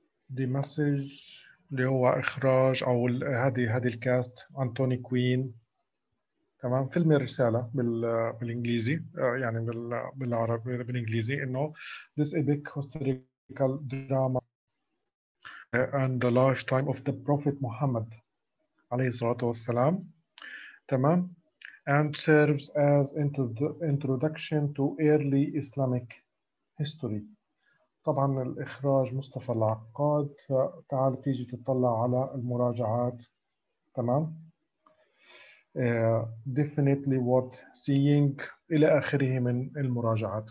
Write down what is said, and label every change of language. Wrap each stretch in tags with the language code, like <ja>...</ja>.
<ar>دي مسج اللي هو اخراج او هذه الكاست انتوني كوين، تمام. فيلم الرساله بالانجليزي، يعني بالعربي بالانجليزي، انه</ar> <en>this epic historical drama and the lifetime of the prophet Muhammad</en> <ar>عليه الصلاه والسلام، تمام.</ar> <en>and serves as introduction to early Islamic history.</en> <ar>طبعا الإخراج مصطفى العقاد. فتعال تيجي تطلع على المراجعات، تمام.</ar> <en>definitely worth seeing</en> <ar>إلى آخره من المراجعات.</ar>